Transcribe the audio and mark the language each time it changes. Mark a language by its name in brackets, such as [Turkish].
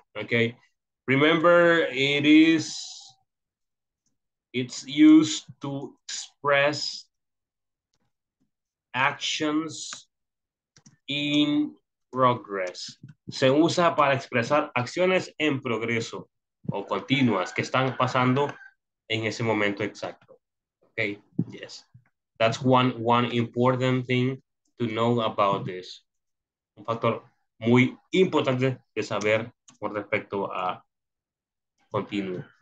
[English] Ok, remember it's used to express actions in progress. [Spanish] Se usa para expresar acciones en progreso o continuas que están pasando en ese momento exacto. [English] Okay, yes. That's one important thing to know about this. [Spanish] Un factor muy importante de saber con respecto a continuo.